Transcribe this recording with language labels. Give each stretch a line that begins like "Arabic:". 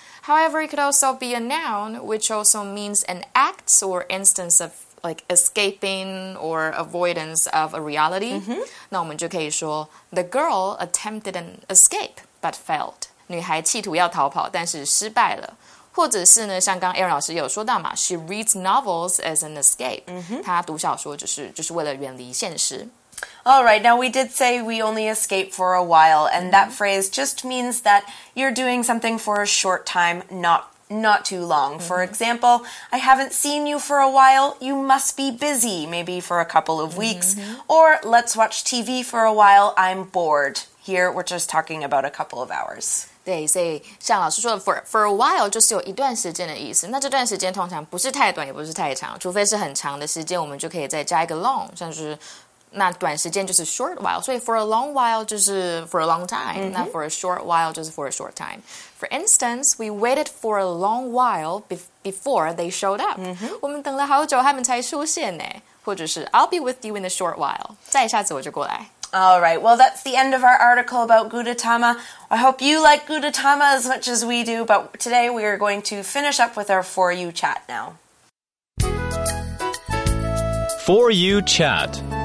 English: However, it could also be a noun, which also means an act or instance of, like, escaping or avoidance of a reality.
Chinese: 那我们就可以说,
English: the girl attempted an escape, but failed.
Chinese: 女孩企图要逃跑,但是失败了。或者是呢,像刚 Aaron 老师有说到嘛,
English: she reads novels as an escape.
Chinese: 她读小说就是为了远离现实。
English: All right, now we did say we only escape for a while, and that phrase just means that you're doing something for a short time, not too long. Mm-hmm. For example, I haven't seen you for a while, you must be busy, maybe for a couple of weeks, or let's watch TV for a while, I'm bored. Here, we're just talking about a couple of hours.
Chinese: 对，所以像老师说的 for a while 就是有一段时间的意思。那这段时间通常不是太短，也不是太长，除非是很长的时间，我们就可以再加一个 long， 像是那短时间就是 short while。所以 for a long while 就是 for a long time，那 for a short while 就是 for a short time。
English: For instance, we waited for a long while before they showed up。
Chinese: 我们等了好久，他们才出现呢。或者是
English: I'll be with you in a short while，
Chinese: 再一下子我就过来。
English: All right, well, that's the end of our article about Gudetama. I hope you like Gudetama as much as we do, but today we are going to finish up with our For You Chat now. For You Chat.